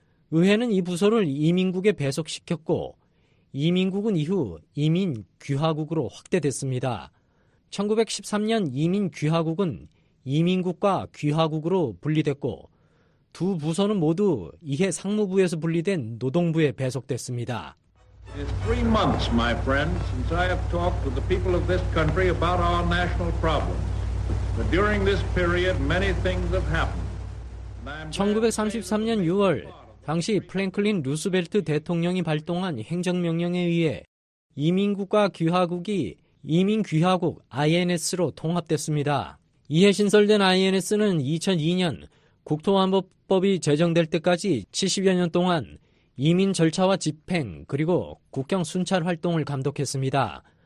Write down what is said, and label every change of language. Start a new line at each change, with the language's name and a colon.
Korean: 의회는 이 부서를 이민국에 배속시켰고 이민국은 이후 이민귀화국으로 확대됐습니다. 1913년 이민귀화국은 이민국과 귀화국으로 분리됐고 두 부서는 모두 이해 상무부에서 분리된 노동부에 배속됐습니다.
English: It's 3 months, my friends, since I have talked with the people of this country about our national problems. But during this period, many things have happened.
Korean: 1933년 6월, 당시 프랭클린 루스벨트 대통령이 발동한 행정명령에 의해 이민국과 귀화국이 이민귀화국 INS로 통합됐습니다. 이에 신설된 INS는 2002년 국토안보법이 제정될 때까지 70여 년 동안 이민 절차와 집행 그리고 국경 순찰 활동을 감독했습니다.